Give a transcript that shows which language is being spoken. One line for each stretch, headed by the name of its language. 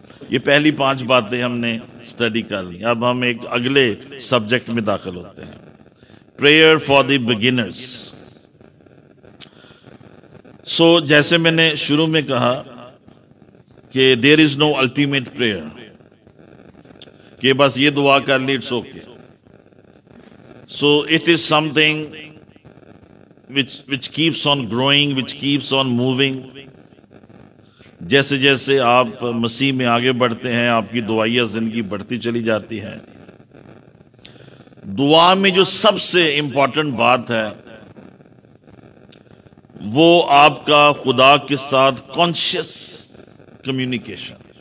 Urdu: یہ پہلی پانچ باتیں ہم نے اسٹڈی کر لی. اب ہم ایک اگلے سبجیکٹ میں داخل ہوتے ہیں,
English: Prayer for the beginners.
Urdu: سو جیسے میں نے شروع میں کہا کہ
English: there is no ultimate prayer,
Urdu: کہ بس یہ دعا کر لی
English: It's okay. So it is something which keeps on growing, which keeps on moving.
Urdu: جیسے جیسے آپ مسیح میں آگے بڑھتے ہیں آپ کی دعائیہ زندگی بڑھتی چلی جاتی ہے. دعا میں جو سب سے امپورٹنٹ بات ہے وہ آپ کا خدا کے ساتھ کانشیس کمیونیکیشن.